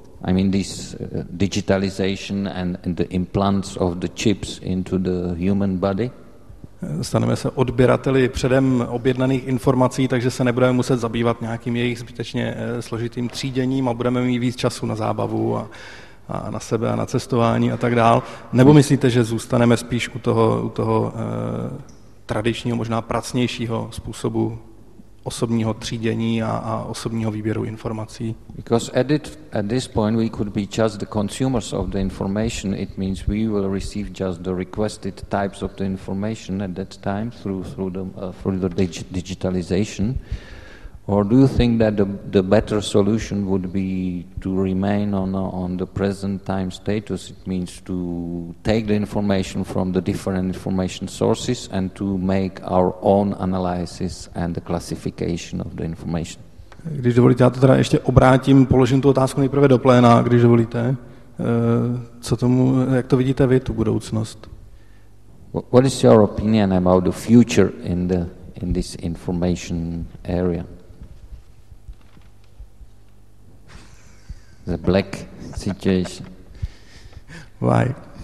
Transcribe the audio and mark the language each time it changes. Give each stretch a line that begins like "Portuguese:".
English: I mean this digitalization and the implants of the chips into the human body?
Czech: staneme se odběrateli předem objednaných informací, takže se nebudeme muset zabývat nějakým jejich zbytečně složitým tříděním a budeme mít víc času na zábavu a na sebe a na cestování a tak dál. Nebo myslíte, že zůstaneme spíš u toho tradičního, možná pracnějšího způsobu osobního třídění a osobního výběru informací?
English: Because at this point we could be just the consumers of the information. It means we will receive just the requested types of the information at that time through the digitalization. Or do you think that the better solution would be to remain on the present time status? It means to take the information from the different information sources and to make our own analysis and the classification of the information.
Czech: Když dovolíte, já to teda ještě obrátím, položím tu otázku nejprve do pléna, když dovolíte. Co tomu, jak to vidíte vy, tu budoucnost?
English: What is your opinion about the future in this information area? The black situation. Why?